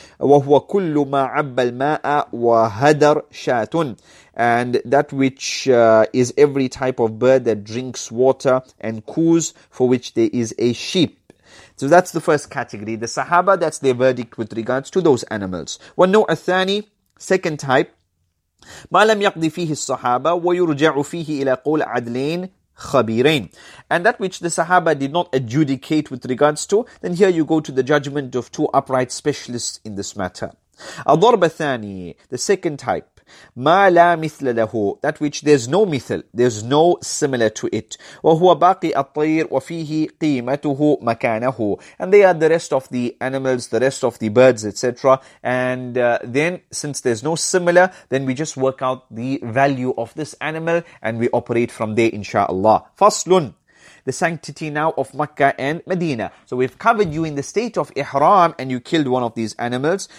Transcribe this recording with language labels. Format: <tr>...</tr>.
<ar>وَهُوَ كُلُّ مَا عَبَّ الْمَاءَ وَهَدَرْ شَاتٌ.</ar> <en>And that which is every type of bird that drinks water and coos, for which there is a sheep. So that's the first category. The Sahaba, that's their verdict with regards to those animals.</en> <ar>والنوع الثاني,</ar> <en>second type.</en> <ar>ما لم يقضي فيه الصحابة ويرجع فيه إلى قول عدلين خبيرين.</ar> <en>And that which the Sahaba did not adjudicate with regards to, then here you go to the judgment of 2 upright specialists in this matter.</en> <ar>الضرب الثاني,</ar> <en>the second type.</en> <ar>ما لا مثل له.</ar> <en>That which there's no مثل, there's no similar to it.</en> <ar>وهو باقي الطير وفيه قيمته مكانه.</ar> <en>And they are the rest of the animals, the rest of the birds, etc. And then, since there's no similar, then we just work out the value of this animal and we operate from there, inshallah. فصل. the sanctity now of Mecca and Medina. So we've covered you in the state of Ihram and you killed one of these animals.</en>